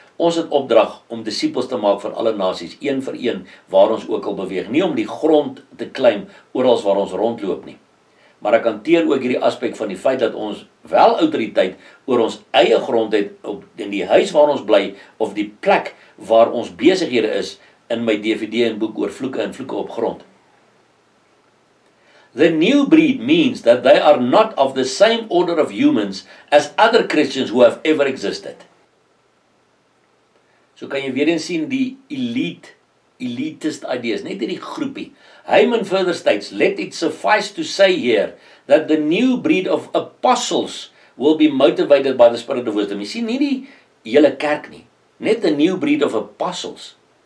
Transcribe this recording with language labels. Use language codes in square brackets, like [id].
[af] Ons het opdrag om disippels te maak van alle nasies, een vir een, waar ons ook al beweeg. Nie om die grond te klim, oral waar ons rondloop nie. Maar ek hanteer ook hierdie aspek van die feit dat ons wel autoriteit oor ons eie grond het, op, in die huis waar ons bly, of die plek waar ons besighede is, in my DVD en boek oor vloeke en vloeke op grond. [en] The new breed means that they are not of the same order of humans as other Christians who have ever existed. [af] So kan jy weer eens sien die elitist ideas, net in die groepie. [en] Hyman further states, let it suffice to say here, that the new breed of apostles will be motivated by the spirit of wisdom. [af] Jy sien nie die hele kerk nie, net [en] the new breed of apostles.